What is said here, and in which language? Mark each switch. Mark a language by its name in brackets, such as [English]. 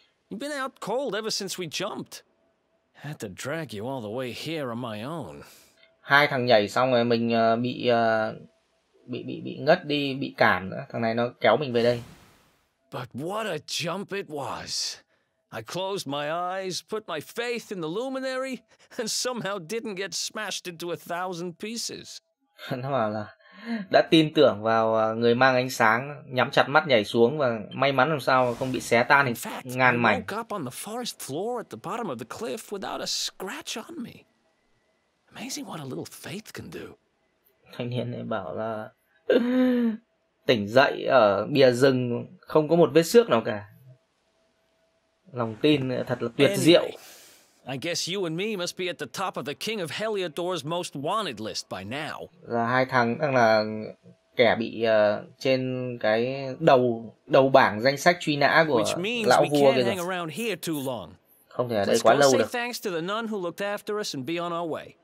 [English] You've been out cold ever since we jumped. Had to drag you all the way here on my own. [Vietnamese] Hai thằng nhảy xong rồi mình bị ngất đi, bị cản nữa. Thằng này nó kéo mình về đây. [English] But what a jump it was. I closed my eyes, put my faith in the luminary and somehow didn't get smashed into a thousand pieces. [Vietnamese] Nó bảo là đã tin tưởng vào người mang ánh sáng, nhắm chặt mắt nhảy xuống và may mắn làm sao không bị xé tan thành ngàn mảnh. [English] I woke up on the forest floor at the bottom of the cliff without a scratch on me. Amazing what a little faith can do. [Vietnamese] Thanh niên này bảo là tỉnh dậy ở bìa rừng không có một vết xước nào cả. Lòng tin thật là tuyệt diệu. [English] I guess you and me must be at the top of the King of Heliodor's most wanted list by now. [Vietnamese] Là hai thằng đang là kẻ bị trên cái đầu bảng danh sách truy nã của lão vua kia rồi. [English] Hang around here too long. [Vietnamese] Không thể ở đây quá lâu được. [English] Thanks to the nun who looked after us and be on our way.